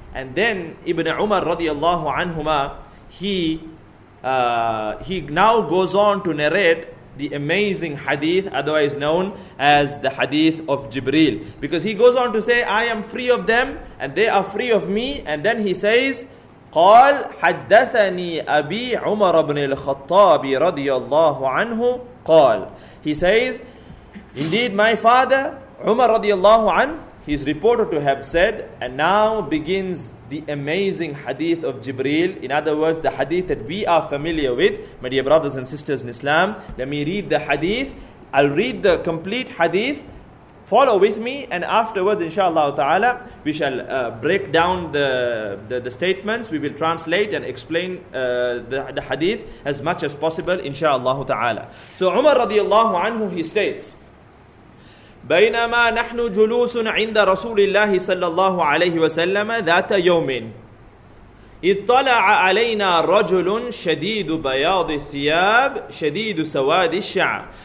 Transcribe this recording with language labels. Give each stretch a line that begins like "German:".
English: And then Ibn Umar radiallahu anhuma, he now goes on to narrate the amazing hadith, otherwise known as the hadith of Jibreel. Because he goes on to say, I am free of them and they are free of me.
Arabic: And then he says, قال حدثني أبي عمر بن الخطاب رضي الله عنه قال.
English: He says, indeed my father Umar رضي الله عنه, he is reported to have said, and now begins the amazing hadith of Jibreel. In other words, the hadith that we are familiar with, my dear brothers and sisters in Islam. Let me read the hadith. I'll read the complete hadith. Follow with me, and afterwards, inshallah ta'ala, we shall break down the statements. We will translate and explain the hadith as much as possible, inshallah ta'ala.
Arabic: So Umar radiallahu anhu, he states, بينما نحن جلوس عند رسول الله صلى الله عليه وسلم ذات يوم اطلع علينا رجل شديد بياض الثياب شديد سواد الشعر